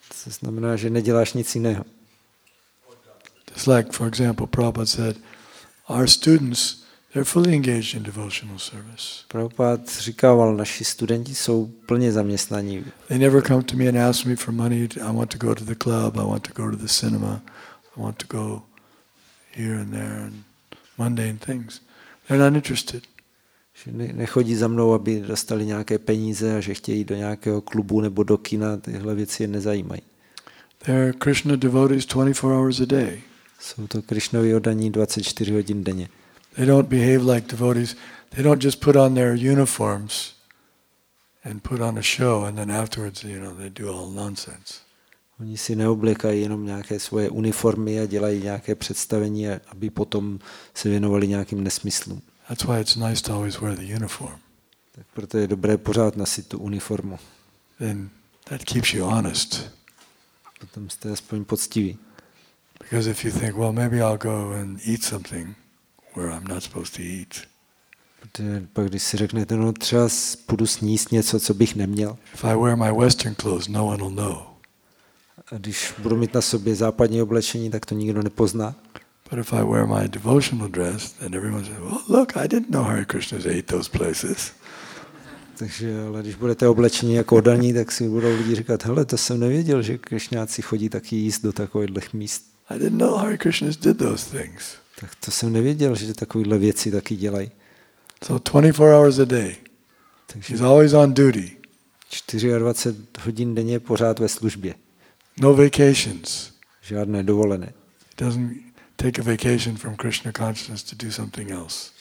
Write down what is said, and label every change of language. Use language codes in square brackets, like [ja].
[cs] To znamená, že neděláš nic jiného. [en] It's like, for example, Prabhupada said, our students, they're fully engaged in devotional service. [cs] Prabhupada říkával, naši studenti jsou plně zaměstnaní. [en] They never come to me and ask me for money. I want to go to the club. I want to go to the cinema. I want to go here and there and mundane things. They're not interested. [cs] Že nechodí za mnou, aby dostali nějaké peníze a že chtějí do nějakého klubu nebo do kina, tyhle věci je nezajímají. [en] They're Krishna devotees 24 hours a day. [cs] Jsou to Krišnovi oddaní 24 hodin denně. [en] They don't behave like devotees. They don't just put on their uniforms and put on a show and then afterwards, you know, they do all nonsense. [cs] Oni si neoblékají jenom nějaké svoje uniformy a dělají nějaké představení, aby potom se věnovali nějakým nesmyslům. [en] That's why it's nice to always wear the uniform. [cs] Tak proto je dobré pořád nosit tu uniformu. [en] Then that keeps you honest. [cs] Potom jste aspoň poctiví. [en] Because if you think, well, maybe I'll go and eat something where I'm not supposed to eat. [cs] Pak když si řeknete, no třeba půjdu sníst něco, co bych neměl. [en] If I wear my western clothes, no one will know. [cs] A když budu mít na sobě západní oblečení, tak to nikdo nepozná. [en] But if I wear my devotional dress, then everyone says, well, look, I didn't know Hare Krishna's ate those places. [cs] Takže, ale když budete oblečeni jako oddaní, tak si budou lidi říkat, hele, to jsem nevěděl, že Krišňáci chodí taky jíst do takových míst. [en] I didn't know Hare Krishna did those things. [cs] Tak to jsem nevěděl, že takovéhle věci taky dělají. [en] So 24 hours a day. Takže he's always on duty. [cs] 24 hodin denně pořád ve službě. [en] No vacations. [cs] Žádné dovolené. [en] It doesn't take a vacation from Krishna consciousness to do something else.